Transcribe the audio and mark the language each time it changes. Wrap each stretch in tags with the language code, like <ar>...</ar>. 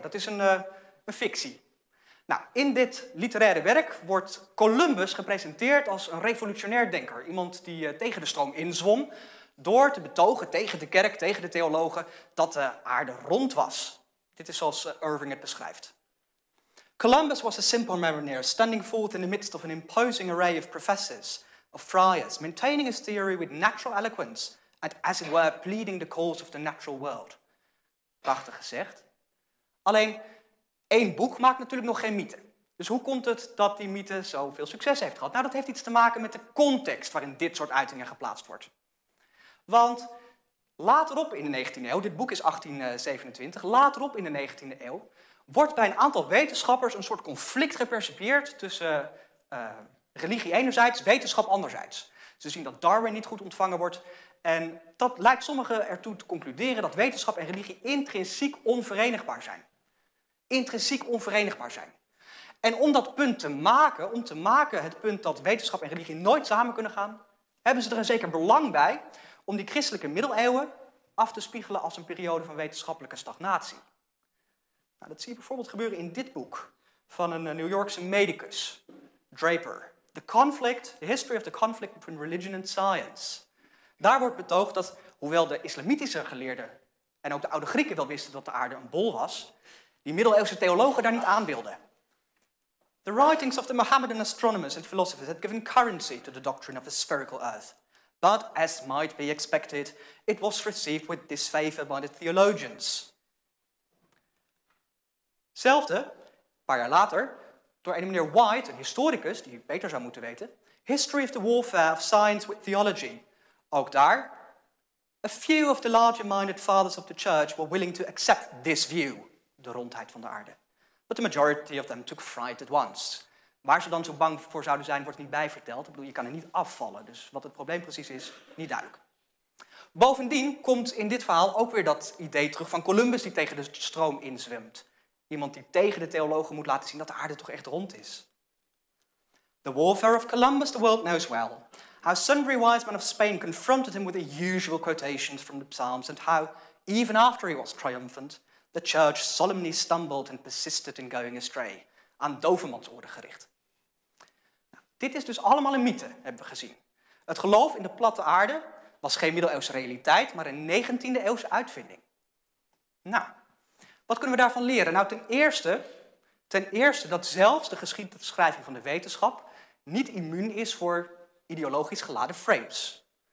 <nl>Dat is een fictie. Nou, in dit literaire werk wordt Columbus gepresenteerd als een revolutionair denker. Iemand die tegen de stroom inzwom door te betogen tegen de kerk, tegen de theologen, dat de aarde rond was. Dit is zoals Irving het beschrijft.</nl> <en>Columbus was a simple mariner, standing forth in the midst of an imposing array of professors, of friars, maintaining his theory with natural eloquence, and as it were pleading the cause of the natural world.</en> <nl>Prachtig gezegd. Alleen, één boek maakt natuurlijk nog geen mythe. Dus hoe komt het dat die mythe zoveel succes heeft gehad? Nou, dat heeft iets te maken met de context waarin dit soort uitingen geplaatst wordt. Want Laterop in de 19e eeuw, dit boek is 1827, laterop in de 19e eeuw wordt bij een aantal wetenschappers een soort conflict gepercipieerd tussen religie enerzijds, wetenschap anderzijds. Ze zien dat Darwin niet goed ontvangen wordt. En dat lijkt sommigen ertoe te concluderen dat wetenschap en religie intrinsiek onverenigbaar zijn. Intrinsiek onverenigbaar zijn. En om dat punt te maken, om te maken het punt dat wetenschap en religie nooit samen kunnen gaan, hebben ze er een zeker belang bij om die christelijke middeleeuwen af te spiegelen als een periode van wetenschappelijke stagnatie. Nou, dat zie je bijvoorbeeld gebeuren in dit boek van een New Yorkse medicus, Draper.</nl> <en>The Conflict, The History of the Conflict Between Religion and Science.</en> <nl>Daar wordt betoogd dat, hoewel de islamitische geleerden en ook de oude Grieken wel wisten dat de aarde een bol was, die middeleeuwse theologen daar niet aan wilden.</nl> <en>The writings of the Mohammedan astronomers and philosophers had given currency to the doctrine of the spherical earth. But, as might be expected, it was received with disfavor by the theologians.</en> <nl>Hetzelfde, een paar jaar later, door een meneer White, een historicus, die beter zou moeten weten, History of the Warfare of Science with Theology. Ook daar,</nl> <en>a few of the larger-minded fathers of the church were willing to accept this view,</en> <nl>de rondheid van de aarde.</nl> <en>But the majority of them took fright at once.</en> <nl>Waar ze dan zo bang voor zouden zijn, wordt niet bijverteld. Ik bedoel, je kan er niet afvallen, dus wat het probleem precies is, niet duidelijk. Bovendien komt in dit verhaal ook weer dat idee terug van Columbus die tegen de stroom inzwemt. Iemand die tegen de theologen moet laten zien dat de aarde toch echt rond is.</nl> <en>The warfare of Columbus the world knows well. How sundry wise men of Spain confronted him with the usual quotations from the Psalms and how, even after he was triumphant, the church solemnly stumbled and persisted in going astray.</en> <nl>Aan dovemansoren gericht. Nou, dit is dus allemaal een mythe, hebben we gezien. Het geloof in de platte aarde was geen middeleeuwse realiteit, maar een 19e eeuwse uitvinding. Nou, wat kunnen we daarvan leren? Nou, ten eerste dat zelfs de geschiedschrijving van de wetenschap niet immuun is voor ideologisch geladen frames.</nl>